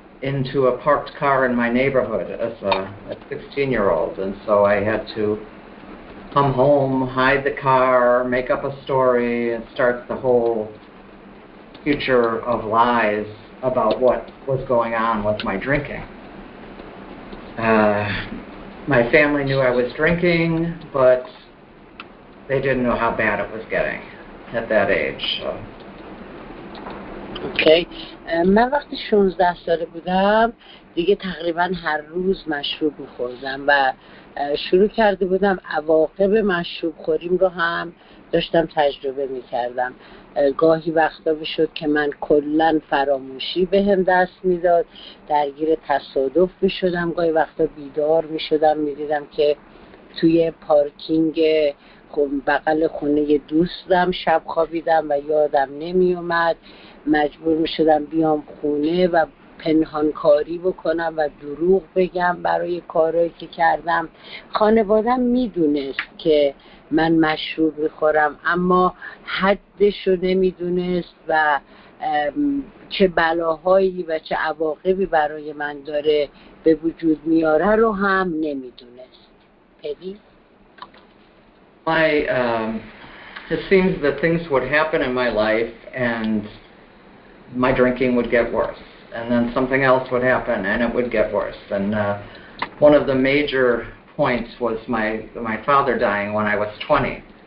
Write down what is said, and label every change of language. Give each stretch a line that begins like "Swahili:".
English: into a parked car in my neighborhood as a 16-year-old, and so I had to come home, hide the car, make up a story, and start the whole future of lies about what was going on with my drinking. My family knew I was drinking, but they didn't know how bad it was getting at that age. So.
Persian: اوکی من وقتی 16 ساله بودم دیگه تقریبا هر روز مشروب می‌خوردم و شروع کرده بودم عواقب مشروب خوریم رو هم داشتم تجربه می‌کردم. گاهی وقتا بشد که من کلن فراموشی به هم دست می‌داد، درگیر تصادف می‌شدم، گاهی وقتا بیدار می‌شدم می‌دیدم که توی پارکینگ بغل خونه دوستم شب خوابیدم و یادم نمی‌اومد، مجبور می‌شدم بیام خونه و پنهانکاری بکنم و دروغ بگم برای کارهایی که کردم. خانواده‌ام می‌دونست که من مشروب می‌خورم، اما حدشو نمی‌دونست و چه بلاهایی و چه عواقبی برای من داره به وجود میاره رو هم نمی‌دونست. پدی
English: It seems that things would happen in my life and my drinking would get worse, and then something else would happen and it would get worse. And one of the major points was my father dying when I was 20.